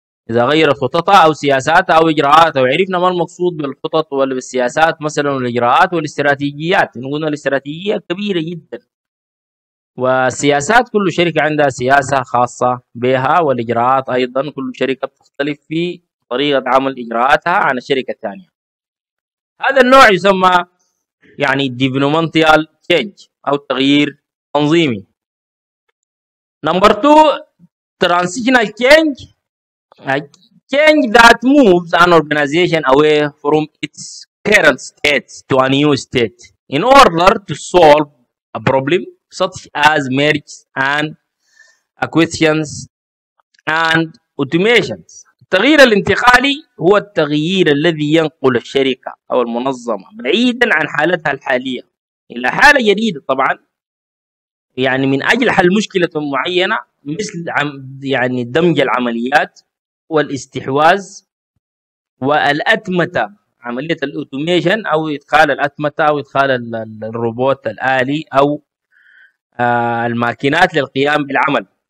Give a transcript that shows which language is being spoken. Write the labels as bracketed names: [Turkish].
[Arabic] إذا غيرت خططها أو سياساتها أو إجراءاتها، وعرفنا ما المقصود بالخطط والسياسات مثلا والإجراءات والاستراتيجيات، نقول الاستراتيجية كبيرة جدا، والسياسات كل شركة عندها سياسة خاصة بها، والإجراءات أيضا كل شركة تختلف في طريقة عمل إجراءاتها عن الشركة الثانية. هذا النوع يسمى يعني [English] developmental change [Arabic] أو تغيير تنظيمي. [English] Number 2 transitional change، change that moves an organization away from its current state to a new state in order to solve a problem such as mergers and acquisitions and automations. [Arabic] التغيير الانتقالي هو التغيير الذي ينقل الشركة أو المنظمة بعيدا عن حالتها الحالية إلى حالة جديدة، طبعا يعني من أجل حل مشكلة معينة مثل يعني دمج العمليات والاستحواذ والأتمتة، عملية الأوتوميشن أو إدخال الأتمتة أو إدخال الروبوت الآلي أو الماكينات للقيام بالعمل.